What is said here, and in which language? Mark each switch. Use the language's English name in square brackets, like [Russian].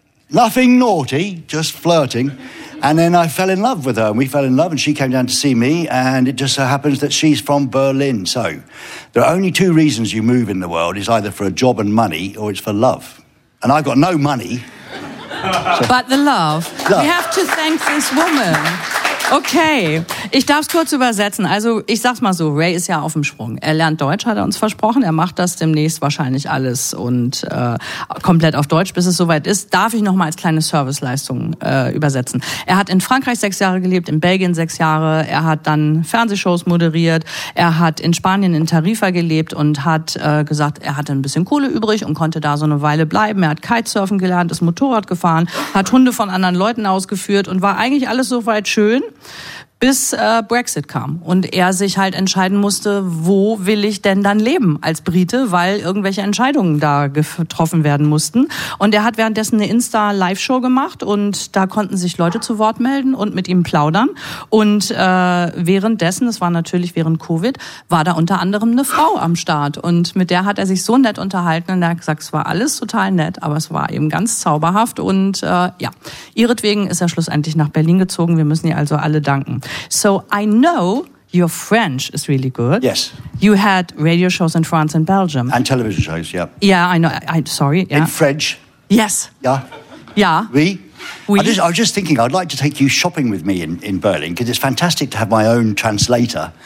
[English] Nothing naughty, just flirting. And then I fell in love with her, and we fell in love, and she came down to see me, and it just so happens that she's from Berlin. So there are only two reasons you move in the world. It's either for a job and money, or it's for love. And I've got no money. So. But the love. We have to thank this woman. [German] Okay, ich darf es kurz übersetzen. Also ich sag's mal so, Ray ist ja auf dem Sprung. Er lernt Deutsch, hat er uns versprochen. Er macht das demnächst wahrscheinlich alles und komplett auf Deutsch, bis es soweit ist. Darf ich nochmal als kleine Serviceleistung übersetzen. Er hat in Frankreich 6 Jahre gelebt, in Belgien 6 Jahre. Er hat dann Fernsehshows moderiert. Er hat in Spanien in Tarifa gelebt und hat gesagt, er hatte ein bisschen Kohle übrig und konnte da so eine Weile bleiben. Er hat Kitesurfen gelernt, ist Motorrad gefahren, hat Hunde von anderen Leuten ausgeführt und war eigentlich alles soweit schön. Bis Brexit kam und er sich halt entscheiden musste, wo will ich denn dann leben als Brite, weil irgendwelche Entscheidungen da getroffen werden mussten. Und er hat währenddessen eine Insta-Live-Show gemacht und da konnten sich Leute zu Wort melden und mit ihm plaudern. Und währenddessen, das war natürlich während Covid, war da unter anderem eine Frau am Start. Und mit der hat er sich so nett unterhalten und er hat gesagt, es war alles total nett, aber es war eben ganz zauberhaft. Und ja, ihretwegen ist er schlussendlich nach Berlin gezogen. Wir müssen ihr also alle danken. [English] So I know your French is really good. Yes. You had radio shows in France and Belgium. And television shows, yeah. Yeah, I know. Yeah. In French? Yes. Yeah. Yeah. [French] Oui. Oui. [English] I was just thinking, I'd like to take you shopping with me in Berlin, because it's fantastic to have my own translator.